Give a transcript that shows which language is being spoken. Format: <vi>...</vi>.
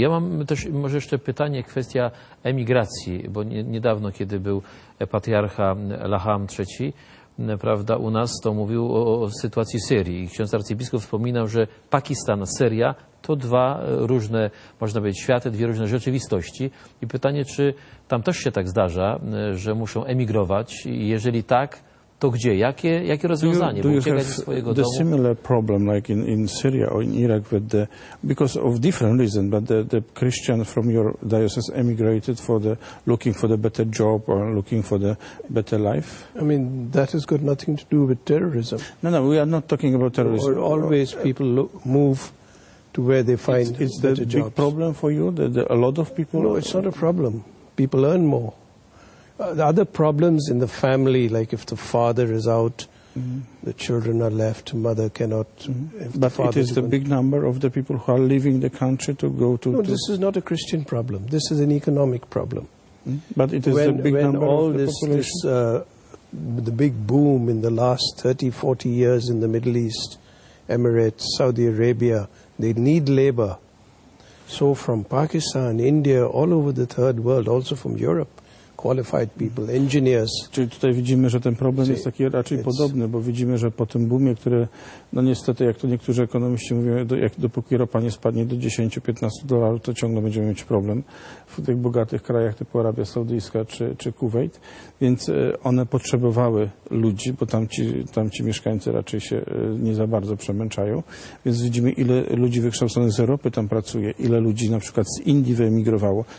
<pl>Ja mam też może jeszcze pytanie, kwestia emigracji, bo niedawno, kiedy był patriarcha Laham III, prawda, u nas, to mówił o sytuacji Syrii. Ksiądz arcybiskup wspominał, że Pakistan, Syria to dwa różne, można powiedzieć, światy, dwie różne rzeczywistości. I pytanie, czy tam też się tak zdarza, że muszą emigrować? Jeżeli tak, to gdzie? Jakie rozwiązanie?</pl> <en>Do you have the similar problem like in Syria or in Iraq, with the, because of different reasons, but the Christian from your diocese emigrated for the looking for the better job or looking for the better life? I mean, that has got nothing to do with terrorism. No, we are not talking about terrorism. Or always people move to where they find it's the jobs. Big problem for you? A lot of people? No, it's not a problem. People earn more. The other problems in the family, like if the father is out, the children are left, mother cannot... But it is the big number of the people who are leaving the country to go to... No, this is not a Christian problem. This is an economic problem. But it is the big number of the population. When all this the big boom in the last 30, 40 years in the Middle East, Emirates, Saudi Arabia, they need labor. So from Pakistan, India, all over the third world, also from Europe, qualified people, engineers.</en> <pl>Czyli tutaj widzimy, że ten problem jest taki raczej podobny, bo widzimy, że po tym boomie, który, no niestety, jak to niektórzy ekonomiści mówią, jak dopóki ropa nie spadnie do 10-15 dolarów, to ciągle będziemy mieć problem w tych bogatych krajach typu Arabia Saudyjska czy Kuwait, więc one potrzebowały ludzi, bo tamci mieszkańcy raczej się nie za bardzo przemęczają, więc widzimy, ile ludzi wykształconych z Europy tam pracuje, ile ludzi na przykład z Indii wyemigrowało.</pl>